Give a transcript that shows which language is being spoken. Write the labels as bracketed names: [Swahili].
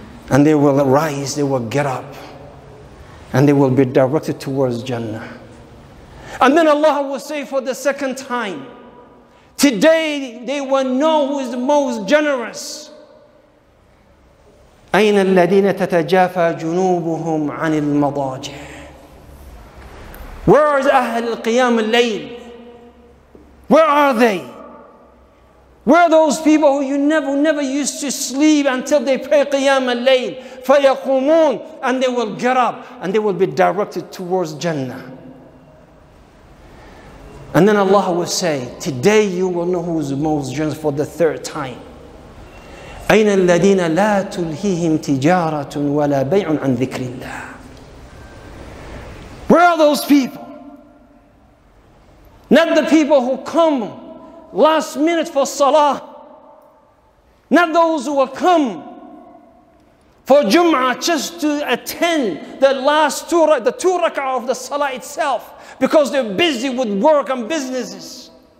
[English] And they will arise, they will get up, and they will be directed towards Jannah. And then Allah will say for the second time, today they will know who is the most generous. [Arabic] أين الذين تتجافى جنوبهم عن المضاجع. [English] Where are [Arabic] أهل القيام الليل? [English] Where are they? Where are those people who you never used to sleep until they pray قيام الليل? [Arabic] فيقومون, [English] and they will get up and they will be directed towards Jannah. And then Allah will say, today you will know who is most generous for the third time. [Arabic] أين الذين لا تلهيهم تجارة ولا بيع عن ذكر الله. [English] Where are those people? Not the people who come last minute for salah. Not those who will come for Jum'ah just to attend the last two rak'ah of the salah itself, because they're busy with work and businesses.